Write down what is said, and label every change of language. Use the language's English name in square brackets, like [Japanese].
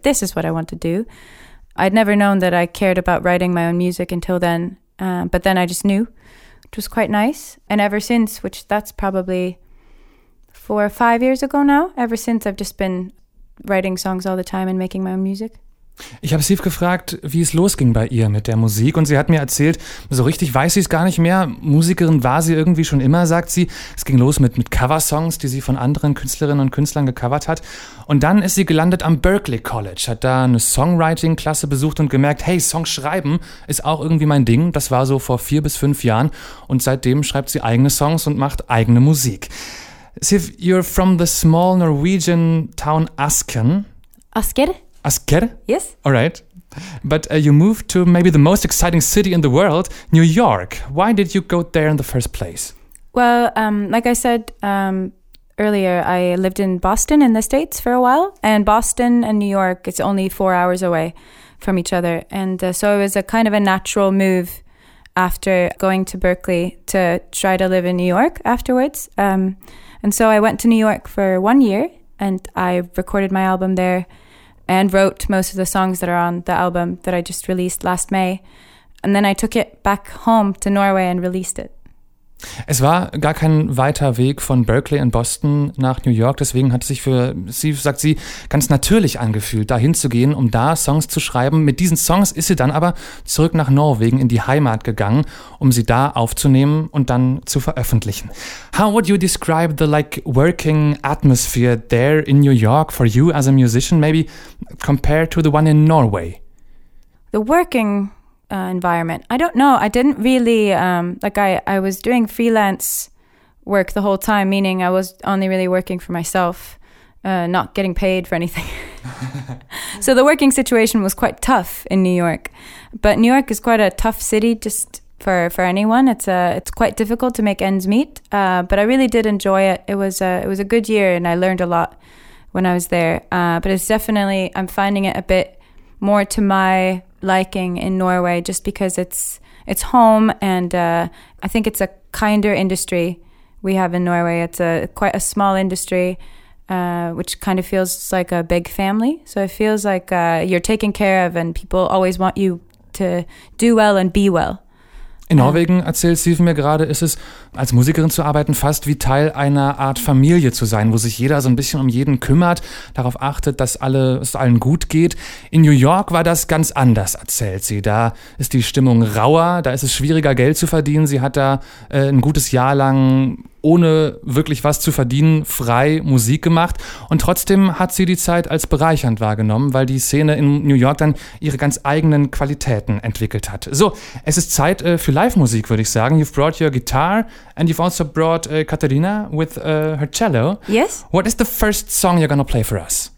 [English] This is what I want to do. I'd never known that I cared about writing my own music until then. But then I just knew, which was quite nice. And ever since, which that's probably 4 or 5 years ago now, ever since I've just been writing songs all the time and making my own music. [German] Ich habe Siv gefragt, wie es losging bei ihr mit der Musik und sie hat mir erzählt, so richtig weiß sie es gar nicht mehr, Musikerin war sie irgendwie schon immer, sagt sie. Es ging los mit Coversongs, die sie von anderen Künstlerinnen und Künstlern gecovert hat und dann ist sie gelandet am Berklee College, hat da eine Songwriting-Klasse besucht und gemerkt, hey, Songs schreiben ist auch irgendwie mein Ding, das war so vor 4 bis 5 Jahren und seitdem schreibt sie eigene Songs und macht eigene Musik. [English] Siv, you're from the small Norwegian town Asken. Asker? Asker? Yes. All right. But you moved to maybe the most exciting city in the world, New York. Why did you go there in the first place? Well, like I said earlier, I lived in Boston in the States for a while. And Boston and New York, it's only 4 hours away from each other. And so it was a kind of a natural move after going to Berklee to try to live in New York afterwards. And so I went to New York for 1 year and I recorded my album there. And wrote most of the songs that are on the album that I just released last May. And then I took it back home to Norway and released it. [German] Es war gar kein weiter Weg von Berklee in Boston nach New York. Deswegen hat es sich für sie, sagt sie, ganz natürlich angefühlt, dahin zu gehen, um da Songs zu schreiben. Mit diesen Songs ist sie dann aber zurück nach Norwegen in die Heimat gegangen, um sie da aufzunehmen und dann zu veröffentlichen. [English] How would you describe the like working atmosphere there in New York for you as a musician, maybe compared to the one in Norway? The working environment. I don't know. I didn't really I was doing freelance work the whole time, meaning I was only really working for myself, not getting paid for anything. So the working situation was quite tough in New York. But New York is quite a tough city just for anyone. It's quite difficult to make ends meet. But I really did enjoy it. It was a good year and I learned a lot when I was there. But it's definitely, I'm finding it a bit more to my liking in Norway just because it's home and I think it's a kinder industry we have in Norway. It's quite a small industry which kind of feels like a big family. So it feels like you're taken care of and people always want you to do well and be well. [German] In Norwegen, erzählt Steven mir gerade, ist es, als Musikerin zu arbeiten, fast wie Teil einer Art Familie zu sein, wo sich jeder so ein bisschen um jeden kümmert, darauf achtet, dass es allen gut geht. In New York war das ganz anders, erzählt sie. Da ist die Stimmung rauer, da ist es schwieriger, Geld zu verdienen. Sie hat da ein gutes Jahr lang, ohne wirklich was zu verdienen, frei Musik gemacht. Und trotzdem hat sie die Zeit als bereichernd wahrgenommen, weil die Szene in New York dann ihre ganz eigenen Qualitäten entwickelt hat. So, es ist Zeit für Live-Musik, würde ich sagen. [English] You've brought your guitar and you've also brought Katharina with her cello. Yes. What is the first song you're gonna play for us?